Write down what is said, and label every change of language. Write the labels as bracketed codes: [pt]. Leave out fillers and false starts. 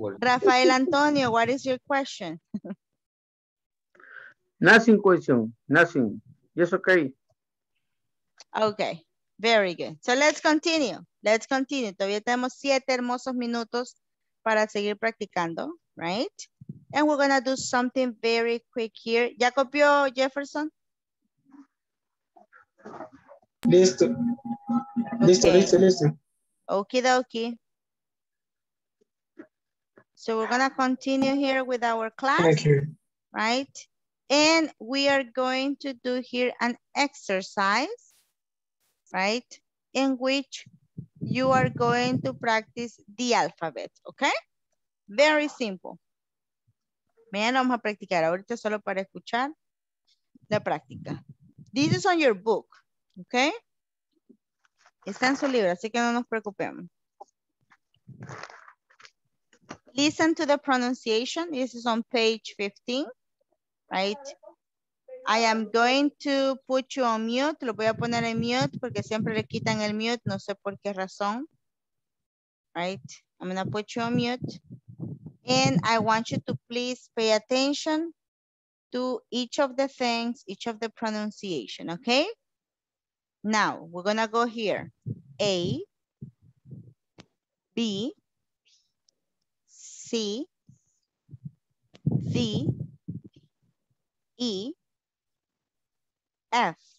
[en] Rafael Antonio, what is your question? Nothing question, nothing. Yes, okay. Okay, very good. So let's continue. Let's continue. [es] Todavía tenemos 7 hermosos minutos para seguir practicando, [en] right? And we're gonna do something very quick here. [es] ¿Ya copió Jefferson? Listo. Listo. [en] Okie dokie. So we're gonna continue here with our class. Thank you. Right? And we are going to do here an exercise, right? In which you are going to practice the alphabet, okay? Very simple. [es] Mañana vamos a practicar, ahorita solo para escuchar la práctica. [en] This is on your book, okay? [es] Está en su libro, así que no nos preocupemos. [en] Listen to the pronunciation. This is on page 15. Right. I am going to put you on mute. [es] Lo voy a poner en mute porque siempre le quitan el mute. No sé por qué razón. [en] Right. I'm going to put you on mute. And I want you to please pay attention to each of the things, each of the pronunciation. Okay. Now we're going to go here. A, B, C, D, E, F,